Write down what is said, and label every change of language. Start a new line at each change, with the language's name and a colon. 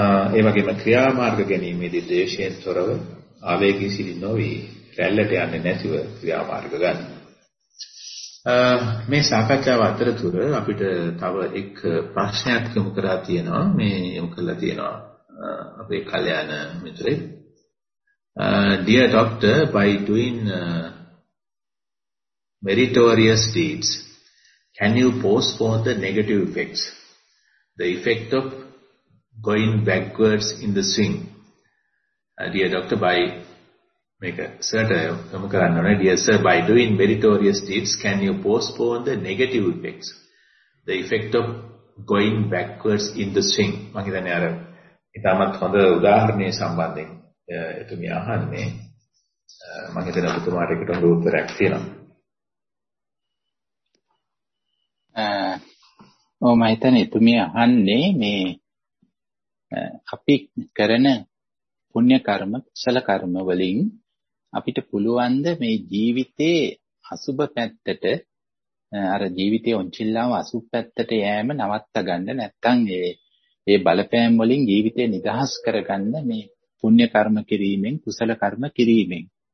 Sinhala: ඒ වගේම ක්‍රියාමාර්ග ගැනීමේදී ද්වේෂයෙන් තොරව ආවේගී සිලි නොවී රැල්ලට යන්නේ නැතිව ක්‍රියාමාර්ග ගන්න. මේ සාකච්ඡාව අතරතුර අපිට තව එක ප්‍රශ්නයක් යොමු කරලා තියෙනවා. මේ යොමු කරලා තියෙනවා අපේ කල්‍යාණ මිත්‍රේ.
English: Dear Doctor, by doing meritorious deeds, can you postpone the negative effects? The effect of going backwards in the swing. Dear Doctor, by
Sinhala: මේක සර්ට යොමු කරන්න ඕනේ.
English: Dear sir, by doing meritorious deeds, can you postpone the negative effects? The effect of going backwards in the swing.
Sinhala: මම හිතන්නේ අර ඉතාමත් හොඳ උදාහරණයක් සම්බන්ධයෙන් එතුමිය අහන්නේ. මම හිතන ඔබතුමාට එකට හොඳ උත්තරයක් තියෙනවා. මම හිතන්නේ එතුමිය අහන්නේ මේ අපි කරන පුණ්‍ය කර්ම, කුසල කර්ම වලින් අපිට පුළුවන් ද මේ ජීවිතේ අසුභ පැත්තට අර ජීවිතේ උන්චිල්ලාව අසුභ පැත්තට යෑම නවත්ත ගන්න නැත්නම් ඒ බලපෑම් වලින් ජීවිතේ නිදහස් කරගන්න මේ පුණ්‍ය කර්ම කිරීමෙන් කුසල කර්ම කිරීමෙන්